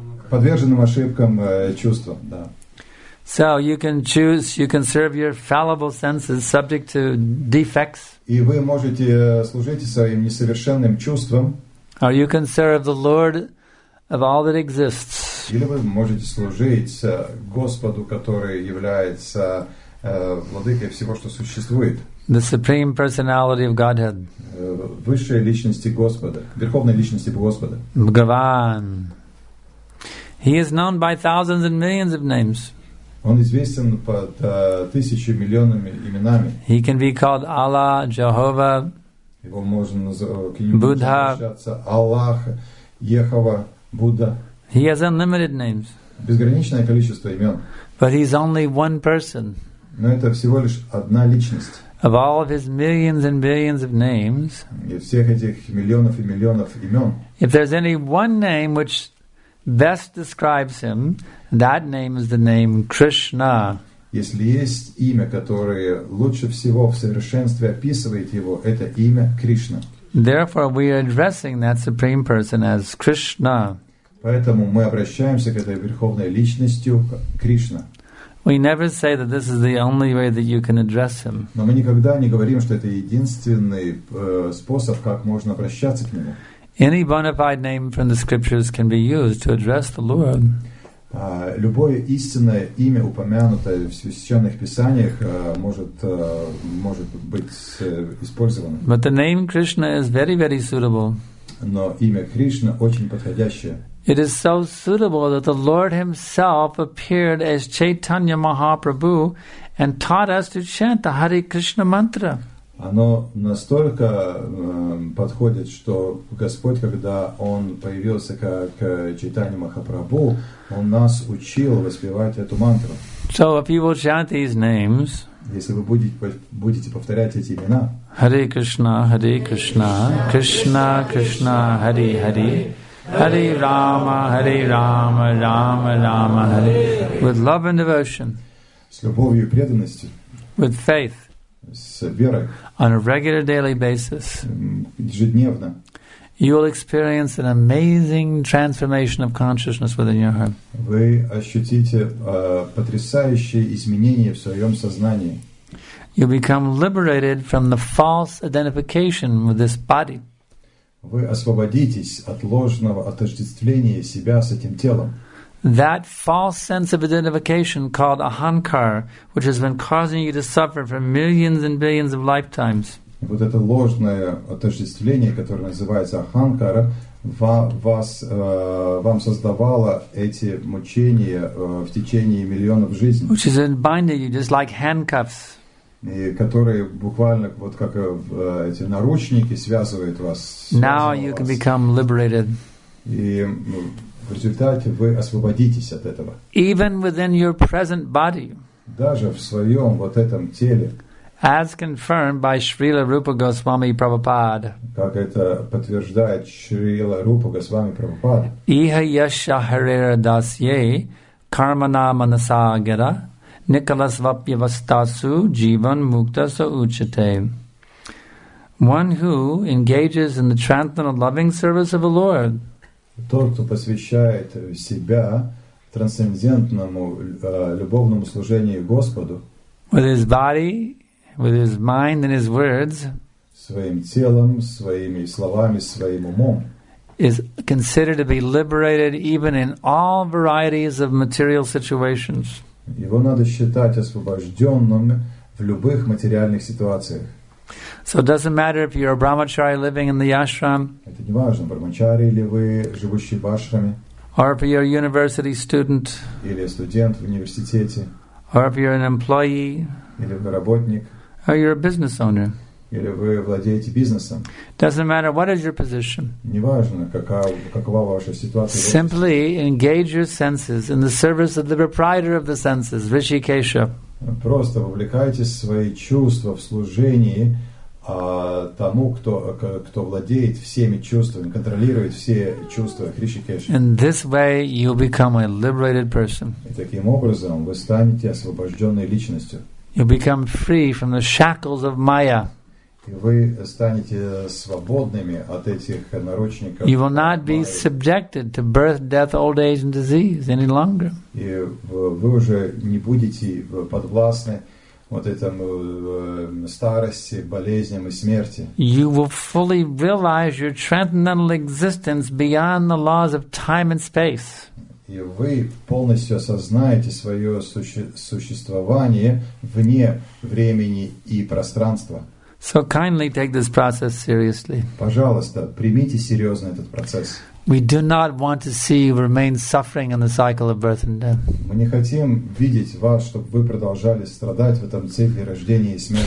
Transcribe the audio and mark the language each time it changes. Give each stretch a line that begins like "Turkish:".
Russian: Подверженным ошибкам чувствам, да.
English: So you can choose, you can serve your fallible senses subject to defects.
Russian: И вы можете служить своим несовершенным чувствам.
English: Or you can serve the Lord of all that exists.
Russian: Или вы можете служить Господу, который является владыкой всего, что существует.
English: The Supreme Personality of Godhead.
Russian: Высшей личности Господа, верховной личности Господа.
English: Bhagavan. He is known by thousands and millions of names.
Russian: Он известен под тысячами, миллионами именами.
English: He can be called Allah, Jehovah,
Russian: его можно Будда, Аллах, Йехова, Будда.
English: He has unlimited names.
Russian: Безграничное количество имен.
English: But he's only one person.
Russian: Но это всего лишь одна личность.
English: Of all of his millions and billions of names.
Russian: И всех этих миллионов и миллионов имен.
English: If there's any one name which best describes him, that name is the name Krishna.
Russian: Если есть имя, которое лучше всего в совершенстве описывает его, это имя Кришна.
English: Therefore, we are addressing that supreme person as Krishna.
Russian: Поэтому мы обращаемся к этой верховной личностью Кришна.
English: We never say that this is the only way that you can address him.
Russian: Но мы никогда не говорим, что это единственный способ, как можно обращаться к нему.
English: Any bona fide name from the scriptures can be used to address the Lord.
Russian: Любое истинное имя, упомянутое в священных писаниях, может быть использовано.
English: But the name Krishna is very, very suitable.
Russian: Но имя Кришна очень подходящее.
English: It is so suitable that the Lord Himself appeared as Chaitanya Mahaprabhu and taught us to chant the Hare Krishna mantra.
Russian: Оно настолько подходит, что Господь, когда Он появился как Чайтанья Махапрабху, Он нас учил воспевать эту мантру.
English: So if you will chant these names,
Russian: если вы будете повторять эти имена,
English: Hare Krishna, Hare Krishna, Krishna, Krishna, Hare Hare, Hare Rama, Rama, Rama, Hare, with love and devotion,
Russian: с любовью и преданностью,
English: with faith,
Russian: с верой,
English: on a regular daily basis,
Russian: ежедневно,
English: you will experience an amazing transformation of consciousness within your heart.
Russian: Вы ощутите потрясающие изменения в своем сознании.
English: You become liberated from the false identification with this body.
Russian: Вы освободитесь от ложного отождествления себя с этим телом.
English: That false sense of identification called ahankar, which has been causing you to suffer for millions and billions of lifetimes.
Russian: Вот это ложное отождествление, которое называется аханкара, вам создавало эти мучения в течение миллионов жизней.
English: Which is binding you just like handcuffs.
Russian: И которые буквально вот как эти наручники связывают вас.
English: Now you can become liberated.
Russian: И в результате вы освободитесь от этого.
English: Even within your present body.
Russian: Даже в своем вот этом теле.
English: As confirmed by Srila Rupa Goswami Prabhupada.
Russian: Как это подтверждает Шрила Рупа Госвами Прабхупада.
Sanskrit: Иха яша харира дасье кармана манаса гера Николас вапьявастасу дживан мукта са учите.
English: One who engages in the transcendental loving service of the Lord.
Russian: Тот, кто посвящает себя трансцендентному любовному служению Господу.
English: With his body, with his mind and his words.
Russian: своим телом, своими словами, своим умом.
English: Is considered to be liberated even in all varieties of material situations.
Russian: Его надо считать освобожденным в любых материальных ситуациях.
English: So it doesn't matter if you're a brahmachari living in the ashram.
Russian: Это не важно, брахмачари или вы живущий в ашраме.
English: Or if you're a university student.
Russian: Или студент в университете.
English: Or if you're an employee.
Russian: Или вы работник.
English: Or you're a business owner.
Russian: Или вы владеете бизнесом.
English: Doesn't matter what is your position.
Russian: Неважно, какова ваша ситуация.
English: Simply engage your senses in the service of the proprietor of the senses, Rishikesha.
Russian: Просто вовлекайте свои чувства в служении тому, кто владеет всеми чувствами, контролирует все чувства, Хришикеша.
English: In this way you become a liberated person.
Russian: И таким образом вы станете освобожденной личностью.
English: You become free from the shackles of Maya.
Russian: И вы станете свободными от этих наручников.
English: You will not be subjected to birth, death, old age and disease any longer.
Russian: И вы уже не будете подвластны вот этому старости, болезням и смерти.
English: You will fully realize your transcendental existence beyond the laws of time and space.
Russian: И вы полностью осознаете свое существование вне времени и пространства.
English: So kindly take this process seriously.
Russian: Пожалуйста, примите серьезно этот процесс.
English: We do not want to see you remain suffering in the cycle of birth and death.
Russian: Мы не хотим видеть вас, чтобы вы продолжали страдать в этом цикле рождения и смерти.